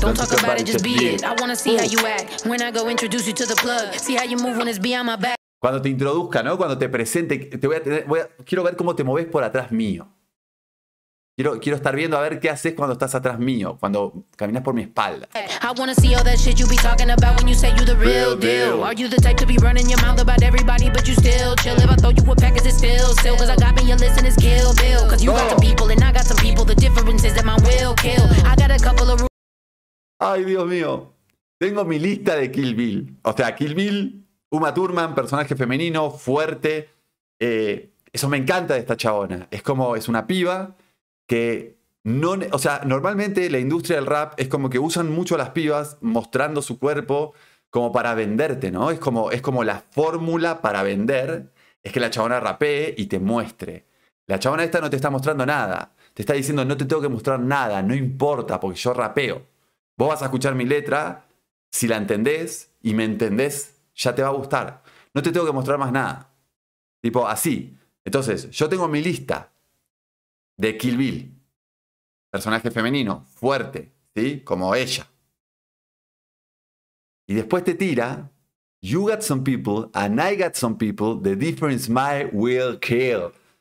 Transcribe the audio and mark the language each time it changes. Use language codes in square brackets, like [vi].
[en] Don't talk about it, just be it. I wanna see how you act when I go introduce you to the plug. See how you move when it's behind my back. [es] Cuando te introduzca, ¿no? Cuando te presente, quiero ver cómo te moves por atrás mío. Quiero estar viendo a ver qué haces cuando estás atrás mío, cuando caminas por mi espalda. [en] I wanna see all that shit you be talking about when you say you the real deal. Are you the type to be running your mouth about everybody but you still chill? If I throw you a pack, is it still? Cause I got me a list and it's Kill Bill. Cause you got some people and I got some people. The difference is that my will kill. I got a couple of rules. [es] Ay, Dios mío. Tengo mi lista de Kill Bill. O sea, Kill Bill, Uma Thurman, personaje femenino, fuerte. Eso me encanta de esta chabona. Es como, es una piba. Que no, o sea, normalmente la industria del rap es como que usan mucho a las pibas mostrando su cuerpo como para venderte, ¿no? Es como la fórmula para vender, es que la chabona rapee y te muestre. La chabona esta no te está mostrando nada, te está diciendo no te tengo que mostrar nada, no importa porque yo rapeo. Vos vas a escuchar mi letra, si la entendés y me entendés, ya te va a gustar. No te tengo que mostrar más nada. Tipo, así. Entonces, yo tengo mi lista. De Kill Bill. Personaje femenino, fuerte, ¿sí? Como ella. Y después te tira. [en] You got some people and I got some people. The difference my will kill.